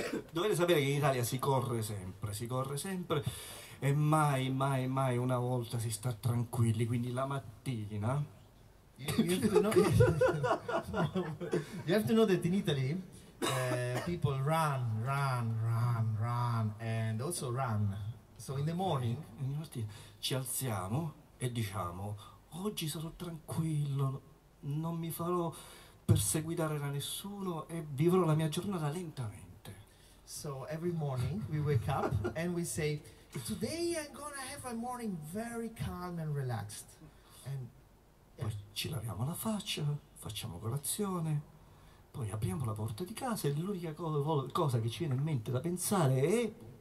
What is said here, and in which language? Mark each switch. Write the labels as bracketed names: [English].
[Italian] Dovete sapere che in Italia si corre sempre, si corre sempre, e mai, mai, mai una volta si sta tranquilli, quindi la mattina... [English] You have to know that in Italy, people run, and also run. So in the morning... [Italian] In mattina ci alziamo e diciamo, oggi sarò tranquillo, non mi farò perseguitare da nessuno e vivrò la mia giornata lentamente. [English] So every morning we wake up and we say, today I'm gonna have a morning very calm and relaxed. And [Italian] poi ci laviamo la faccia, facciamo colazione, poi apriamo la porta di casa e l'unica cosa che ci viene in mente da pensare è...